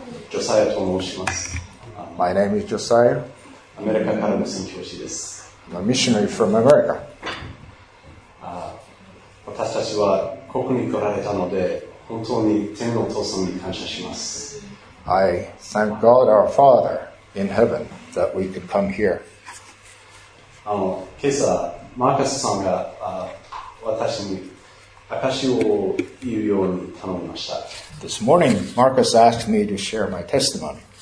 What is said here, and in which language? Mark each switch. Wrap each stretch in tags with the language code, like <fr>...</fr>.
<ja>ジョサイアと申します。</ja> <en>My name is Josiah.</en> <ja>アメリカからの宣教師です。</ja> <en>I'm a missionary from America.</en> <ja>私たちはここに来られたので、本当に天の父様に感謝します。</ja> <en>I thank God our Father in heaven that we could come here.</en> <ja>今朝、マーカスさんが私に証を言うように頼みました。</ja> <en>This morning, Marcus asked me to share my testimony.</en>